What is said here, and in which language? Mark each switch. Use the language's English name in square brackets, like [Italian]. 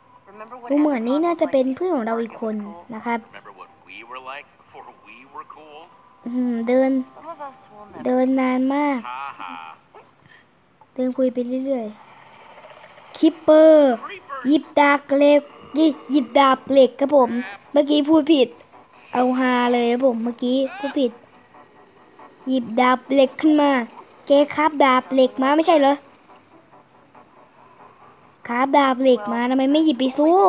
[English] Remember what happened? [Thai] เหมือนนี้น่าจะเป็นเพื่อนของเราอีกคนนะครับ [English] Remember what we were like before we were cool? [Thai] เดินเดินนานมากเดินคุยไปเรื่อยๆคิปเปอร์หยิบดาบเหล็กนี่หยิบดาบเหล็กครับผมเมื่อกี้พูดผิดเอาฮาเลยครับผมเมื่อกี้พูดผิดหยิบดาบเหล็กขึ้นมาแกคาบดาบเหล็กมาไม่ใช่เหรอคาบดาบเหล็กมาทำไมไม่หยิบไปสู